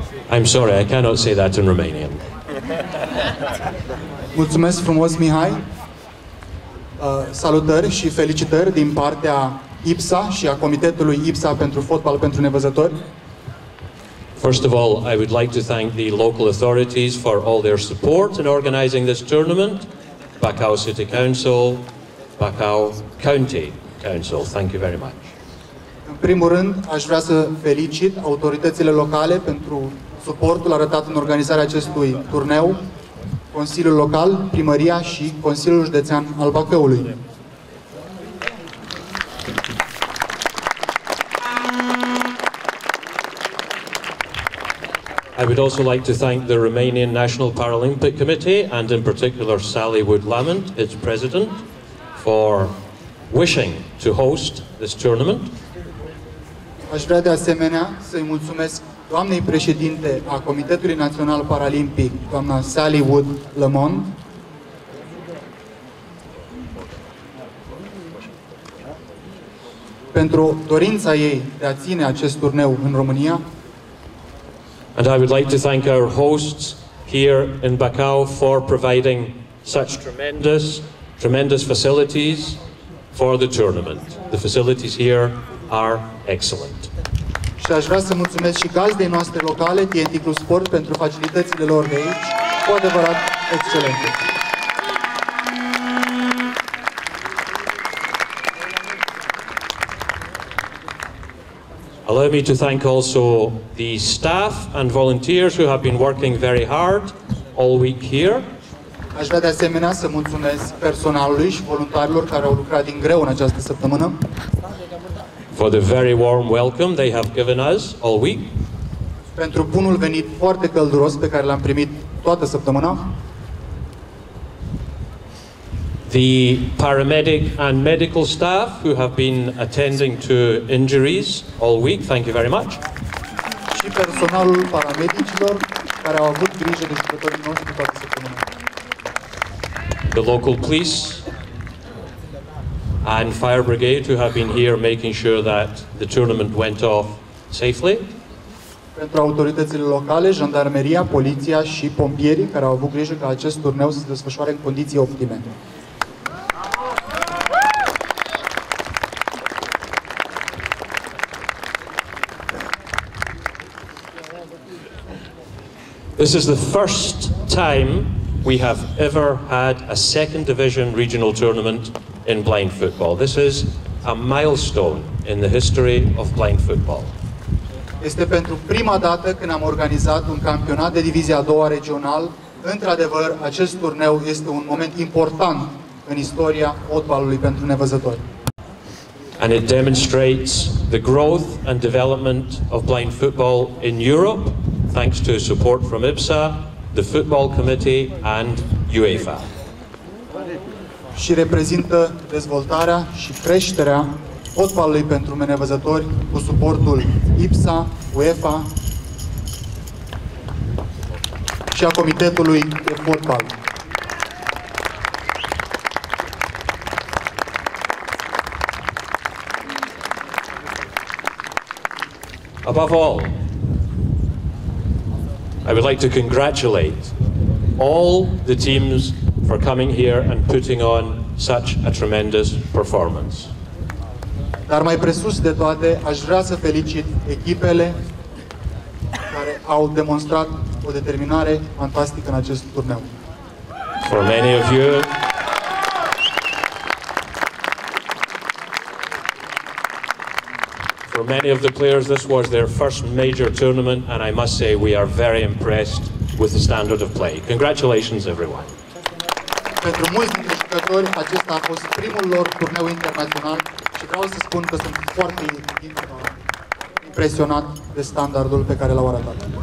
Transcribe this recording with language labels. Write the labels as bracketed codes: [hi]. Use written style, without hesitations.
[en] I'm sorry, I cannot say that in Romanian. [ro] Mulțumesc frumos, Mihai. Salutări și felicitări din partea IPSA și a Comitetului IPSA pentru Fotbal pentru Nevăzători. [en] First of all, I would like to thank the local authorities for all their support in organizing this tournament. Bacău City Council, Bacău County Council. Thank you very much. [ro] În primul rând, aș vrea să felicit autoritățile locale pentru suportul arătat în organizarea acestui turneu, Consiliul Local, Primăria și Consiliul Județean al Bacăului. [en] I would also like to thank the Romanian National Paralympic Committee and in particular Sally Wood-Lamont, its president, for wishing to host this tournament. [ro] Aș vrea de asemenea să-i mulțumesc doamnei președinte a Comitetului Național Paralimpic, doamna Sally Wood-Lamont. Pentru dorința ei de a ține acest turneu în România. [en] And I would like to thank our hosts here in Bacău for providing such tremendous, tremendous facilities for the tournament. The facilities here are excellent. [ro] Și aș vrea să mulțumesc și gazdei noastre locale, TNT Club Sport, pentru facilitățile lor de aici, cu adevărat excelente. [en] Allow me to thank also the staff and volunteers who have been working very hard all week here. [ro] Aș vrea de asemenea să mulțumesc personalului și voluntarilor care au lucrat din greu în această săptămână. [en] For the very warm welcome they have given us all week. [ro] Pentru bunul venit foarte călduros pe care l-am primit toată săptămâna. [en] The paramedic and medical staff who have been attending to injuries all week, thank you very much. [ro] Și personalul paramedicilor care au avut grijă de jucătorii noștri toată săptămâna. [en] The local police and fire brigade who have been here making sure that the tournament went off safely. [ro] Pentru autoritățile locale, jandarmeria, poliția și pompierii care au avut grijă ca acest turneu să se desfășoare în condiții optime. [en] This is the first time we have ever had a second division regional tournament in blind football. This is a milestone in the history of blind football. [ro] Este pentru prima dată când am organizat un campionat de divizia a doua regional. Într-adevăr, acest turneu este un moment important în istoria fotbalului pentru nevăzători. [en] And it demonstrates the growth and development of blind football in Europe, thanks to support from IPSA, the Football Committee and UEFA. [ro] Și reprezintă dezvoltarea și creșterea fotbalului pentru nevăzători cu suportul IPSA, UEFA și a Comitetului de Fotbal. [en] Above all, I would like to congratulate all the teams for coming here and putting on such a tremendous performance. [ro] Dar mai presus de toate, aș vrea să felicit echipele care au demonstrat o determinare fantastică în acest turneu. [en] For many of you, for many of the players, this was their first major tournament, and I must say we are very impressed with the standard of play. Congratulations, everyone. [ro] Pentru mulți dintre jucători, acesta a fost primul lor turneu internațional și vreau să spun că sunt foarte impresionat de standardul pe care l-au arătat.